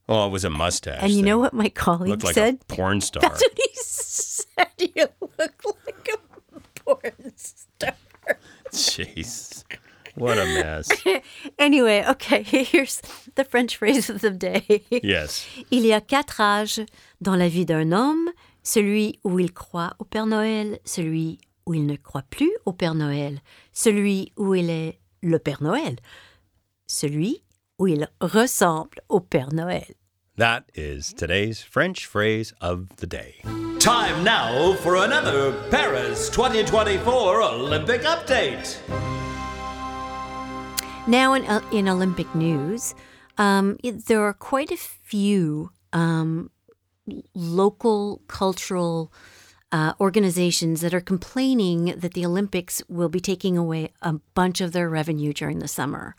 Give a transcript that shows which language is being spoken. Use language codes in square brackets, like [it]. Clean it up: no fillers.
[en] Oh, it was a mustache. And you know what my colleague looked said? Like a porn star. That's what he said. You look like a porn star. Jeez. What a mess. Anyway, okay, here's the French phrase of the day. Yes. [fr] Il y a quatre âges dans la vie d'un homme. Celui où il croit au Père Noël. Celui où il ne croit plus au Père Noël. Celui où il est le Père Noël, celui où il ressemble au Père Noël. [en] That is today's French phrase of the day. Time now for another Paris 2024 Olympic update. Now in Olympic news, there are quite a few local cultural organizations that are complaining that the Olympics will be taking away a bunch of their revenue during the summer.